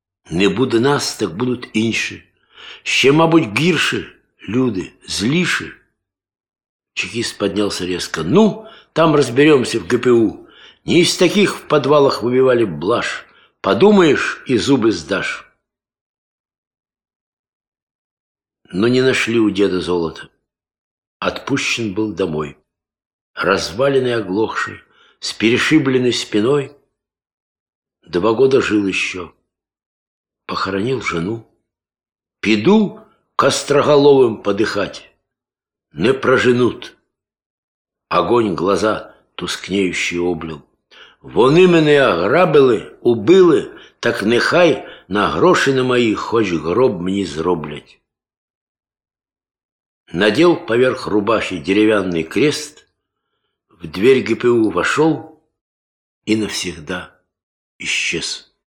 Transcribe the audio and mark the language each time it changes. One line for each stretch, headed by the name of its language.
Ukrainian: Не буде нас, так будуть інші. Ще, мабуть, гірші люди, зліші». Чекист піднявся різко. «Ну, там розберемося в ГПУ. Не із таких в підвалах вибивали блаш.
Russian: Подумаешь, и зубы сдашь. Но не нашли у деда золота. Отпущен был домой. Разваленный, оглохший, с перешибленной спиной. 2 года жил еще. Похоронил жену. Пойду к остроголовым подыхать. Не проженут. Огонь глаза тускнеющий облил.
Ukrainian: Вони мене ограбили, убили, так нехай на гроші на мої хоч гроб мені зроблять.
Russian: Надел поверх рубахи деревянный крест, в дверь ГПУ вошел и навсегда исчез.